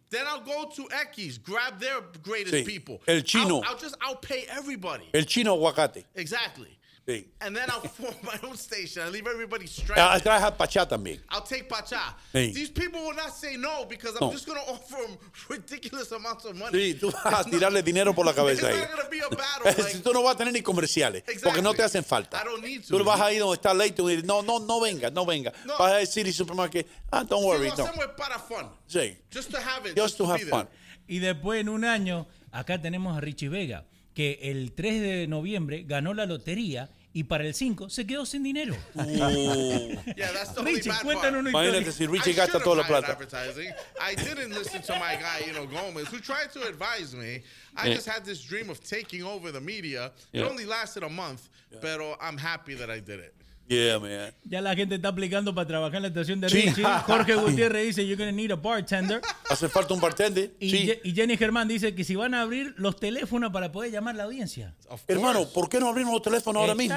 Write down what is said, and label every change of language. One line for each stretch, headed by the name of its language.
English: Then I'll go to X's, grab their greatest sí people.
Spanish: El Chino.
English: I'll pay everybody.
Spanish: El Chino Aguacate.
English: Exactly.
Spanish: Sí.
English: And then I'll form my own station. I'll leave everybody stranded. I'll try to have Pacha también. I'll take Pacha. Sí. These people will not say no because I'm no just going to offer them ridiculous amounts of money.
Spanish: Sí, tú vas a tirarle dinero por la cabeza.
English: It's not going to be a battle. Like,
Spanish: si tú no vas a tener ni comerciales.
English: Exactly.
Spanish: Porque no te hacen falta.
English: I don't need to.
Spanish: Tú no vas a ir donde está Leighton y dices, no venga. No. Vas a decir y supermarket,
English: don't worry.
Spanish: Sí, lo hacemos para fun. Sí.
English: Just to have it. Just to have fun.
Spanish: Y después en un año, acá tenemos a Richie Vega, que el 3 de noviembre ganó la lotería y para el 5 se quedó sin dinero.
English: Yeah,
Spanish: Richie, cuéntanos
English: part
Spanish: una historia. Imagínate si Richie gasta toda la plata.
English: I didn't listen to my guy, you know, Gomez, who tried to advise me. I just had this dream of taking over the media. It only lasted a month, pero I'm happy that I did it. Yeah, man.
Spanish: Ya la gente está aplicando para trabajar en la estación de Richie. Sí.
English: Jorge Gutiérrez
Spanish: dice,
English: you're going to need a bartender.
Spanish: Hace falta un bartender. Y Jenny Germán dice que si van a abrir los teléfonos para poder llamar a la audiencia. Hermano, ¿por qué no abrimos los teléfonos ahora mismo?